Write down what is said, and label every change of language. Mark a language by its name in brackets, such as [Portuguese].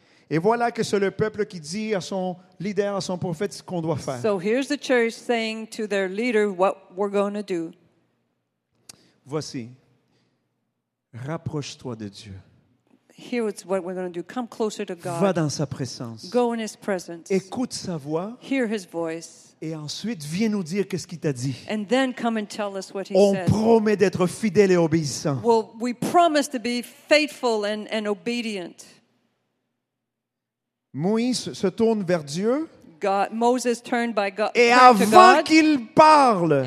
[French] Et voilà que c'est le peuple qui dit à son leader, à son prophète, ce qu'on doit faire. [English] So here's the church saying to their leader what we're going to do. [French] Voici. Rapproche-toi de Dieu. [English] Here's what we're going to do. Come closer to God. [French] Va dans sa présence. [English] Go in his presence. [French] Écoute sa voix. [English] Hear his voice. [French] Et ensuite, viens nous dire qu'est-ce qu'il t'a dit. [English] And then come and tell us what he [French] said. On promet d'être fidèle et obéissant. [English] Well, we promise to be faithful and obedient. [French] Moïse se tourne vers Dieu. [English] God, Moses turned by God. [French] Et avant qu'il parle,